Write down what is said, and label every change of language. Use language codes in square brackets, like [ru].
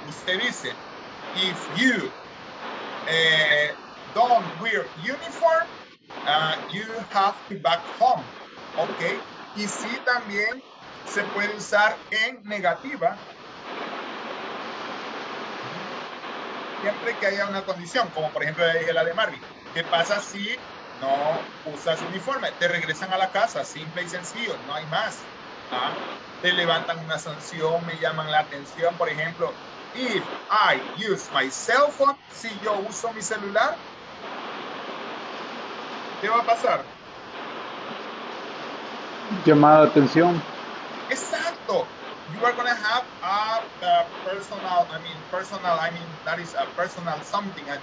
[es] Usted dice, [en] if you don't wear uniform, you have to back home. Ok. [es] Y sí, también se puede usar en negativa. Siempre que haya una condición, como por ejemplo dije la de Marvin. ¿Qué pasa si no usas uniforme? Te regresan a la casa, simple y sencillo, no hay más. ¿Ah? Te levantan una sanción, me llaman la atención. Por ejemplo, [en] if I use my cell phone, [es] si yo uso mi celular, ¿qué va a pasar? Llamada de atención. ¡Exacto! [en] You are going to have a personal something.